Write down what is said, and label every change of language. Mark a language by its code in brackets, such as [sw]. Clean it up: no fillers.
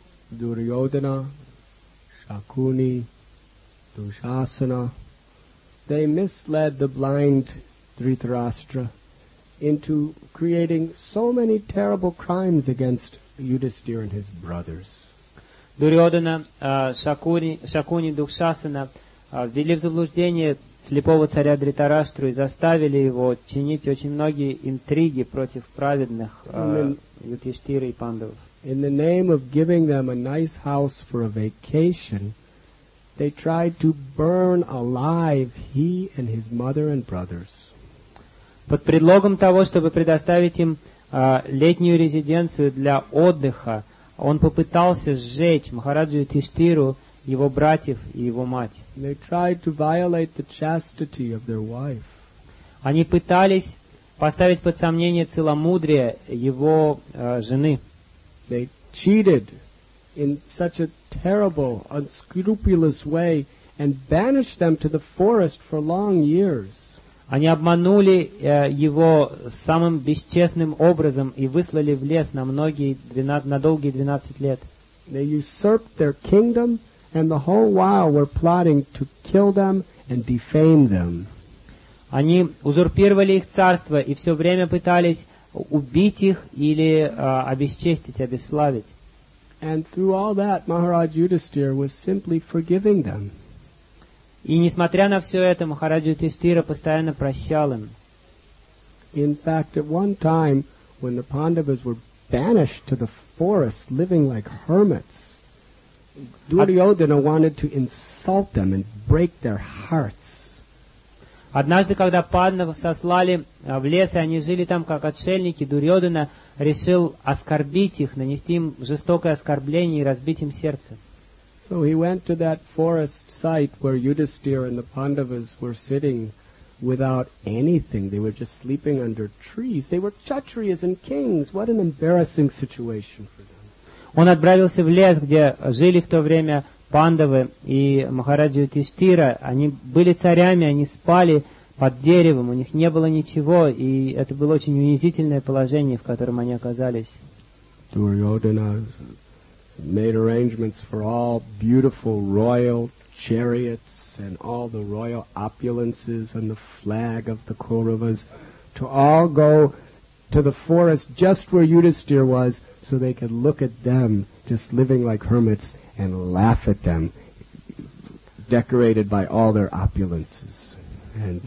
[en] Дурьодхана, Шакуни, Душасана, they misled the blind Дхритараштра into creating so many terrible crimes against Yudhisthira and his brothers. [ru] Дурьодхана, Шакуни, Душасана ввели в заблуждение слепого царя Дхритараштру и заставили его чинить очень многие интриги против праведных Юдхиштхиры и Пандавов. [en] In the name of giving them a nice house for a vacation, they tried to burn alive he and his mother and brothers. [ru] Под предлогом того, чтобы предоставить им летнюю резиденцию для отдыха, Он попытался сжечь Махараджу Юдхиштхиру, его братьев и его мать. [en] They tried to violate the chastity of their wife. [ru] Они пытались поставить под сомнение целомудрие его жены. [en] They cheated in such a terrible, unscrupulous way and banished them to the forest for long years. [ru] Они обманули его самым бесчестным образом и выслали в лес на многие на долгие 12 лет. [en] They usurped their kingdom, and the whole while were plotting to kill them and defame them. [ru] Они узурпировали их царство и все время пытались убить их или обесчестить, обесславить. [en] And through all that, Maharaj Yudhisthira was simply forgiving them. [ru] И несмотря на все это, Махараджа Юдхиштхира постоянно прощал им. [en] In fact, at one time, when the Pandavas were banished to the forest, living like hermits, Duryodhana wanted to insult them and break their hearts. [ru] Однажды, когда Пандавов сослали в лес, и они жили там как отшельники, Дурьодхана решил оскорбить их, нанести им жестокое оскорбление и разбить им сердце. [en] So he went to that forest site where Yudhisthira and the Pandavas were sitting without anything. They were just sleeping under trees. They were Kshatriyas and kings. What an embarrassing situation for them. [ru] Он отправился в лес, где жили в то время Пандавы и Махараджа Юдхиштхира. Они были царями, они спали под деревом. У них не было ничего, и это было очень унизительное положение, в котором они оказались. [en] Duryodhana made arrangements for all beautiful royal chariots and all the royal opulences and the flag of the Kauravas to all go to the forest just where Yudhisthira was so they could look at them just living like hermits and laugh at them decorated by all their opulences and